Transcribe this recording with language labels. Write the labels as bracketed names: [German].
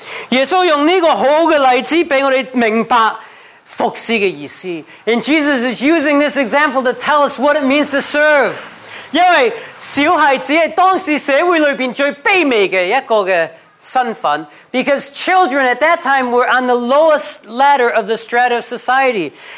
[Chinese] 耶稣用这个好的例子让我们明白服侍的意思. [English] And Jesus is using this example to tell us what it means to serve. [Chinese] 因为小孩子在当时社会里面最卑微的一个身份. [English] Because children at that time were on the lowest ladder of the strata of society.